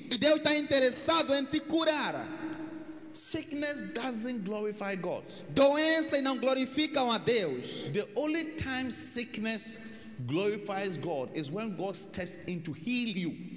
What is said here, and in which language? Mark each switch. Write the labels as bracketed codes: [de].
[pt] E Deus está interessado em te curar. [en] Sickness doesn't glorify God. [pt] Doença não glorifica a Deus. [en] The only time sickness glorifies God is when God steps in to heal you.